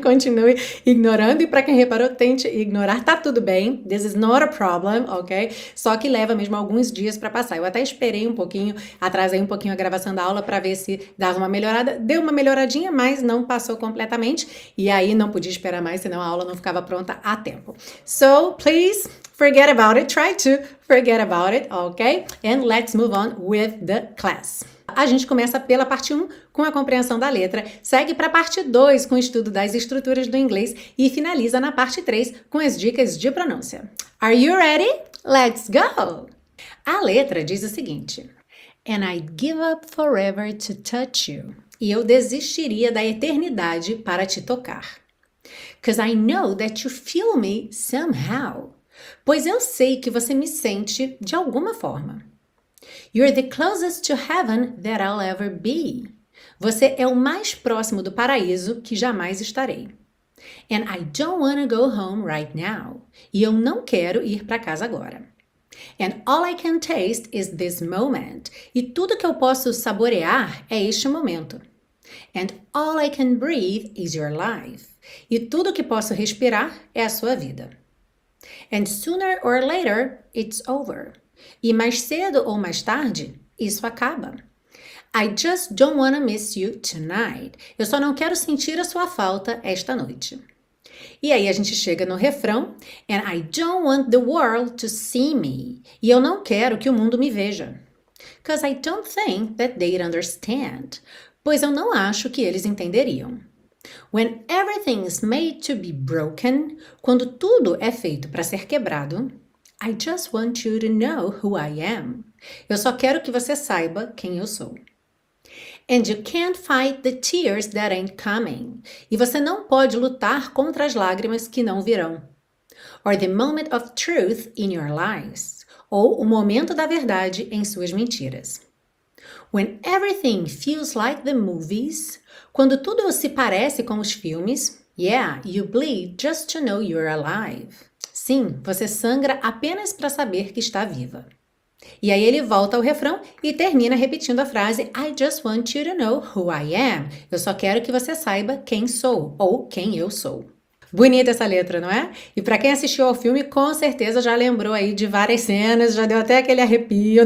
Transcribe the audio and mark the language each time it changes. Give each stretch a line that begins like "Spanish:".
Portuguese: Continue ignorando e para quem reparou, tente ignorar, tá tudo bem.
English: This is not a problem,
Portuguese: ok? Só que leva mesmo alguns dias para passar. Eu até esperei um pouquinho, atrasei um pouquinho a gravação da aula para ver se dava uma melhorada. Deu uma melhoradinha, mas não passou completamente. E aí não podia esperar mais, senão a aula não ficava pronta a tempo.
English: So, please, forget about it. Try to forget about it, ok? And let's move on with the class.
Portuguese: A gente começa pela parte 1, com a compreensão da letra, segue para a parte 2, com o estudo das estruturas do inglês e finaliza na parte 3, com as dicas de pronúncia.
English: Are you ready? Let's go!
Portuguese: A letra diz o seguinte.
English: And I'd give up forever to touch you.
Portuguese: E eu desistiria da eternidade para te tocar.
English: 'Cause I know that you feel me somehow.
Portuguese: Pois eu sei que você me sente de alguma forma.
English: You're the closest to heaven that I'll ever be.
Portuguese: Você é o mais próximo do paraíso que jamais estarei.
English: And I don't wanna go home right now.
Portuguese: E eu não quero ir para casa agora.
English: And all I can taste is this moment.
Portuguese: E tudo que eu posso saborear é este momento.
English: And all I can breathe is your life.
Portuguese: E tudo que posso respirar é a sua vida.
English: And sooner or later, it's over.
Portuguese: E mais cedo ou mais tarde, isso acaba.
English: I just don't wanna miss you tonight.
Portuguese: Eu só não quero sentir a sua falta esta noite. E aí a gente chega no refrão.
English: And I don't want the world to see me.
Portuguese: E eu não quero que o mundo me veja.
English: 'Cause I don't think that they'd understand.
Portuguese: Pois eu não acho que eles entenderiam.
English: When everything is made to be broken.
Portuguese: Quando tudo é feito para ser quebrado.
English: I just want you to know who I am.
Portuguese: Eu só quero que você saiba quem eu sou.
English: And you can't fight the tears that ain't coming.
Portuguese: E você não pode lutar contra as lágrimas que não virão.
English: Or the moment of truth in your lies.
Portuguese: Ou o momento da verdade em suas mentiras.
English: When everything feels like the movies.
Portuguese: Quando tudo se parece com os filmes.
English: Yeah, you bleed just to know you're alive.
Portuguese: Sim, você sangra apenas para saber que está viva. E aí ele volta ao refrão e termina repetindo a frase
English: I just want you to know who I am.
Portuguese: Eu só quero que você saiba quem sou ou quem eu sou. Bonita essa letra, não é? E para quem assistiu ao filme, com certeza já lembrou aí de várias cenas, já deu até aquele arrepio.